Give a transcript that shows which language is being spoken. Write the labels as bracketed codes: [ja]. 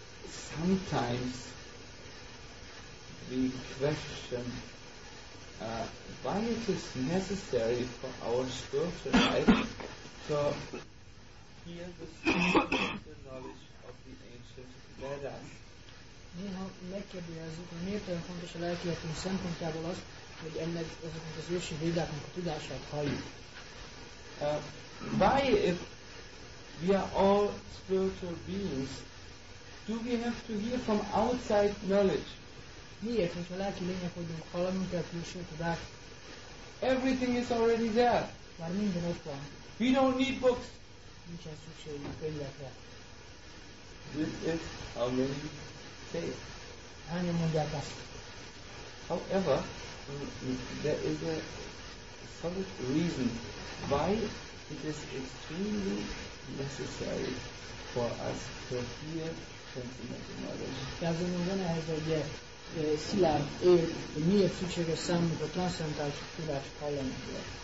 [en] sometimes we question why it is necessary for our spiritual life to hear the spiritual knowledge of the ancient Vedas. [hu] Néha meg kérdezzük, hogy miért olyan fontos a lelki életünk szempontjából az, hogy ennek ezeknek az ősi védáknak a tudását halljuk. [en] Why if we are all spiritual beings, do we have to hear from outside knowledge? [hu] Miért, hogyha lelki lények vagyunk, hallanunk kell külső tudást? [en] Everything is already there. [hu] Már minden ott van. [en] We don't need books. [hu] Nincsen szükségünk könyvekre. [en] This is how many However, there is a solid reason why it is extremely necessary for us to hear transcendental knowledge. [hu] Ez azonban ehhez egy szilárd ér, hogy miért szükséges számunkra a transzcendentális tudás hallanunkra.